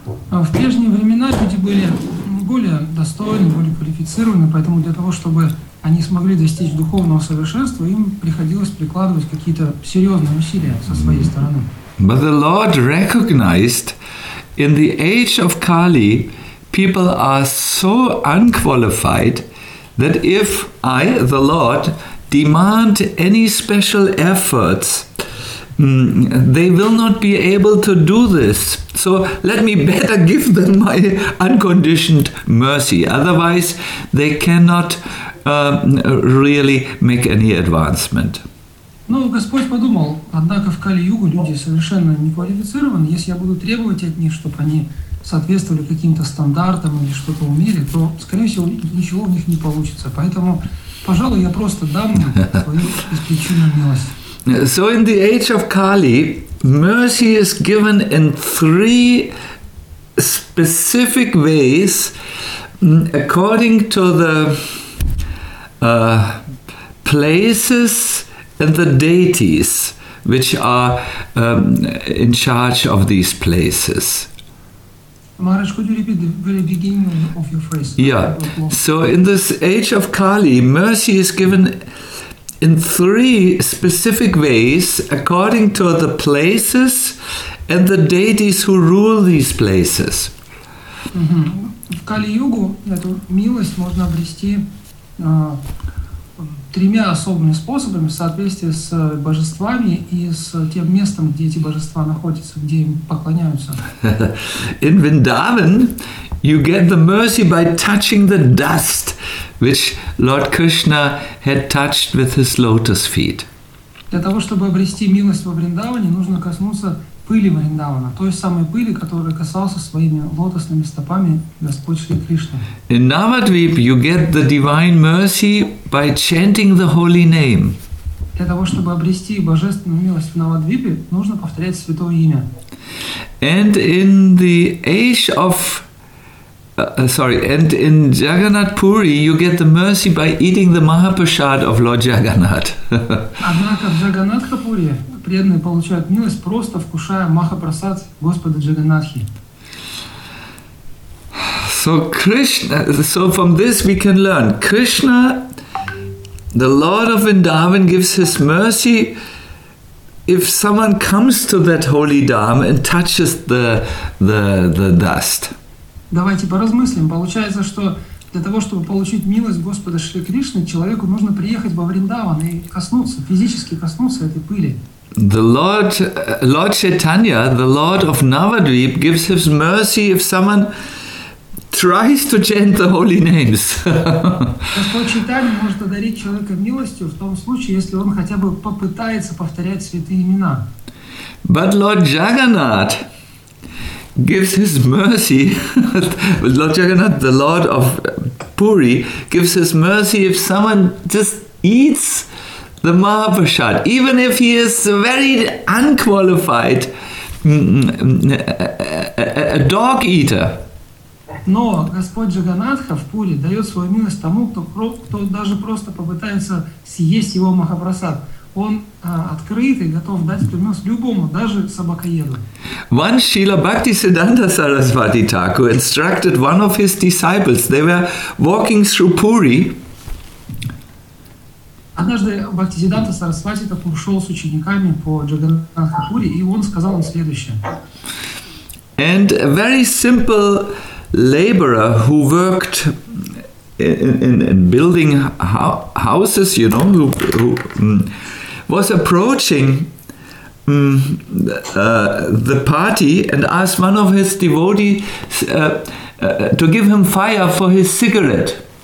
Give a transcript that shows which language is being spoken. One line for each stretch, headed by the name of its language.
Russian: В прежние времена люди были более достойны, более квалифицированы, поэтому для того, чтобы они смогли достичь духовного совершенства, им приходилось прикладывать какие-то серьезные усилия со своей стороны.
English: But the Lord recognized in the age of Kali, people are so unqualified that if I, the Lord, demand any special efforts, they will not be able to do this. So let me better give them my unconditioned mercy. Otherwise, they cannot really make any advancement.
Russian: Ну, Господь подумал, однако в Кали-Югу люди совершенно не квалифицированы. Если я буду требовать от них, чтобы они соответствовали каким-то стандартам или что-то умели, то, скорее всего, ничего у них не получится. Поэтому, пожалуй, я просто дам им свою исключительную милость.
English: So in the age of Kali, mercy is given in three specific ways according to the places and the deities which are in charge of these places. Maharaj, could you repeat the very beginning of your phrase? Yeah. So in this age of Kali, mercy is given in three specific ways according to the places and the deities who rule these places.
Russian: В Кали-Югу эту милость можно обрести тремя особыми способами, в соответствии с божествами и с тем местом, где эти божества находятся, где им поклоняются.
English: In Vrindavan, you get the mercy by touching the dust, which Lord Krishna had touched with his lotus feet.
Russian: Для того, чтобы обрести милость во Вриндаване, нужно коснуться пыли Вриндавана, той самой пыли, которая касался своими лотосными стопами Господь Шри Кришна.
English: In Navadvip you get the divine mercy by chanting the holy name.
Russian: Для того, чтобы обрести божественную милость в Навадвипе, нужно повторять святое имя.
English: And in the age of and in Jagannath Puri you get the mercy by eating the Mahaprasad of Lord Jagannath.
Russian: Однако в Джаганатхапури преданные получают милость, просто вкушая Махапрасад Господа Джаганатхи.
English: So Krishna, so from this we can learn, Krishna, the Lord of Vrindavan, gives his mercy if someone comes to that holy dharma and touches the dust.
Russian: Давайте поразмыслим. Получается, что для того, чтобы получить милость Господа Шри Кришны, человеку нужно приехать во Вриндаван и коснуться, физически коснуться этой пыли.
English: The Lord Chaitanya, the Lord of Navadvip, gives his mercy if someone tries to chant the holy names.
Russian: Господь Чайтанья может одарить человека милостью в том случае, если он хотя бы попытается повторять святые имена.
English: But Lord Jagannath gives his mercy, Lord Jagannath, the Lord of Puri, gives his mercy if someone just eats the Mahaprasad, even if he is very unqualified, a dog eater.
Russian: Но Господь Джаганнатха в Пури дает свою милость тому, кто даже просто попытается съесть его Махапрасад. Он открыт и готов дать принос любому, даже собакоеду.
English: One Srila Bhakti Siddhanta Sarasvati Thakur instructed one of his disciples. They were walking through Puri.
Russian: Однажды Бхакти Сиддханта Сарасвати Такур шел с учениками по Джаганнатхапури, и он сказал им следующее.
English: And a very simple laborer who worked in building houses, you know, who was approaching the party and asked one of his devotees to give him fire for his cigarette.